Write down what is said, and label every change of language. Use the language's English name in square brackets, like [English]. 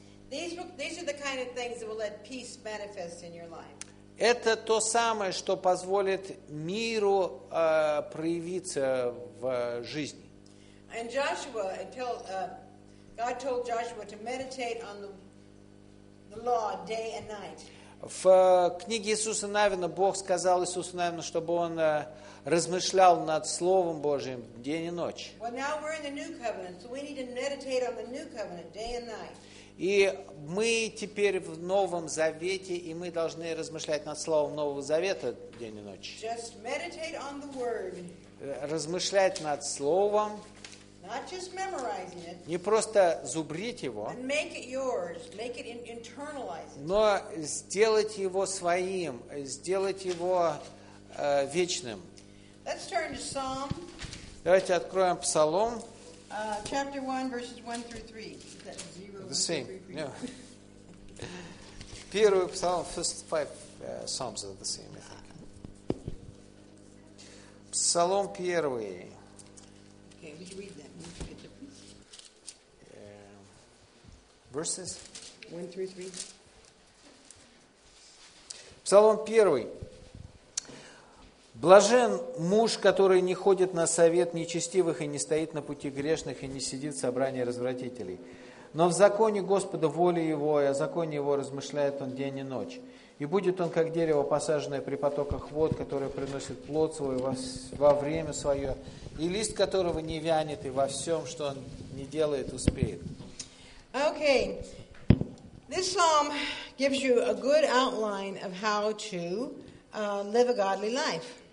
[English] These are the kind of things that will let peace manifest in your life. [Russian] Это то самое, что позволит миру проявиться в жизни. [English] And Joshua, God told Joshua to meditate on the law day and night. [Russian] В книге Иисуса Навина Бог сказал Иисусу Навину, чтобы он размышлял над Словом Божьим день и ночь. [English] Well, now we're in the new covenant, so we need to meditate on the new covenant day and night. [Russian] И мы теперь в Новом Завете, и мы должны размышлять над Словом Нового Завета день и ночь. [English] Just meditate on the word. [Russian] Размышлять над Словом. [English] Not just memorizing it. [Russian] Не просто зубрить его. [English] And make it yours. Make it internalize it. [Russian] Но сделать его своим, сделать его вечным. [English] Let's turn to Psalm. [Russian] Давайте откроем Псалом. [English] Chapter 1, verses 1 through 3. The same. [Russian] Первый псалом, [English] first five psalms are the same, I think. [Russian] Псалом первый. [English] Okay, would you read them? Would you get them? Verses? 1 through 3. [Russian] Псалом первый. Блажен муж, который не ходит на совет нечестивых и не стоит на пути грешных и не сидит в собрании развратителей. Но в законе Господа воля его, и о законе его размышляет он день и ночь. И будет он, как дерево, посаженное при потоках вод, которое приносит плод свой во время свое, и лист которого не вянет, и во всем, что он не делает, успеет. [English] Okay. This psalm gives you a good outline of how to live a godly life.